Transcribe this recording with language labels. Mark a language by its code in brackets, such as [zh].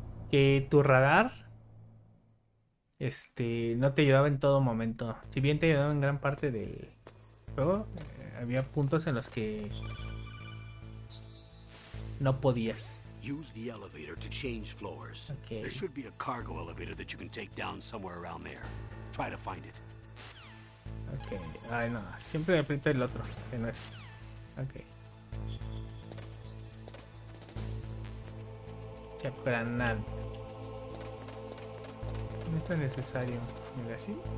[es] Que tu radar no te ayudaba en todo momento. Si bien te ayudaba en gran parte del juego, había puntos en los que no podías. [en] Use the elevator to change floors. Okay. There should be a cargo elevator that you can take down somewhere around there. Try to find it. Okay. [es] Ay, no. Siempre me aprieto el otro, que no es. [en] Okay. Chapranad. [es] No es tan necesario. ¿Mira así?